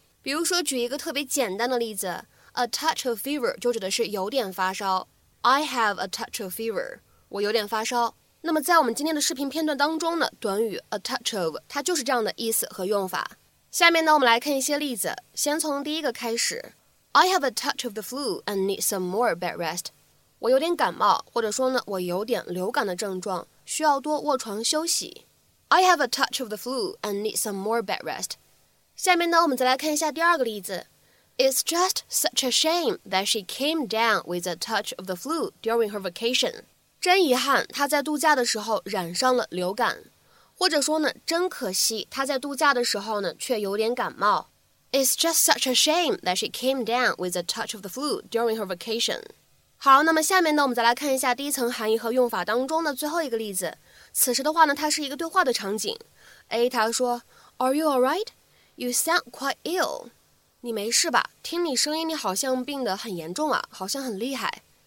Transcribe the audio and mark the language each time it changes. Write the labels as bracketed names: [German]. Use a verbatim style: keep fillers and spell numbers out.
[Chinese] 比如说举一个特别简单的例子 ，a touch of fever 就指的是有点发烧 ， [English] I have a touch of fever， [Chinese] 我有点发烧。那么在我们今天的视频片段当中呢，短语 a touch of 它就是这样的意思和用法。下面呢我们来看一些例子，先从第一个开始。 [English] I have a touch of the flu and need some more bed rest. [Chinese] 我有点感冒，或者说呢，我有点流感的症状，需要多卧床休息。 [English] I have a touch of the flu and need some more bed rest. [Chinese] 下面呢，我们再来看一下第二个例子。 [English] It's just such a shame that she came down with a touch of the flu during her vacation. [Chinese] 真遗憾，她在度假的时候染上了流感，或者说呢，真可惜，她在度假的时候呢，却有点感冒。 [English] It's just such a shame that she came down with a touch of the flu during her vacation. [Chinese] 好，那么下面呢，我们再来看一下第一层含义和用法当中的最后一个例子。此时的话呢，它是一个对话的场景。 [English] A [Chinese] 他说 [English] ，Are you alright? You sound quite ill. [Chinese] 你没事吧？听你声音，你好像病得很严重啊，好像很厉害。